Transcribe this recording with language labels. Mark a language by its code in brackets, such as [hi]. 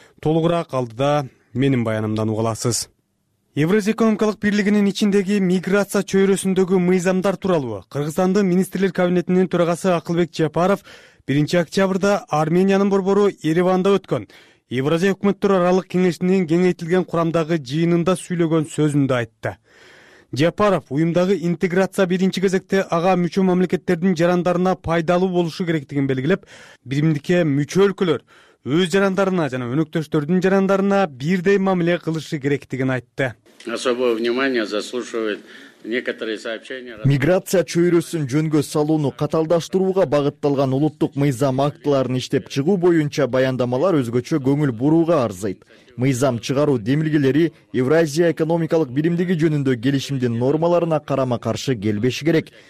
[ky] Толугураак алдыда менин баянымдан угаласыз. Евразия экономикалык бирлигинин ичиндеги миграция чөйрөсүндөгү мыйзамдар тууралуу Кыргызстандын министрлер кабинетинин төрагасы Акылбек Жапаров 1-октябрда Армениянын борбору Ереванда өткөн Евразия өкмөттөр аралык кеңешинин кеңейтилген курамдагы жыйынында сүйлөгөн сөзүндө айтты. Жапаров уюмдагы интеграция биринчи кезекте ага мүчө мамлекеттердин жарандарына пайдалуу болушу керектигин белгилеп, биримдикке мүчө өлкөлөр өз жарандарына жана өнөктөштөрдүн жарандарына бирдей мамиле кылышы керектигин айтты. [ru] Особое внимание заслуживает некоторые сообщения. [ky] Миграция чөйрөсүн жөнгө салууну катаалдаштырууга багытталган улуттук мыйзам актыларын иштеп чыгуу боюнча баяндамалар өзгөчө көңүл бурууга арзыйт. Мыйзам чыгаруу демилгелери Евразия экономикалык биримдиги жөнүндө келишимдин нормаларына карама каршы келбеши керек.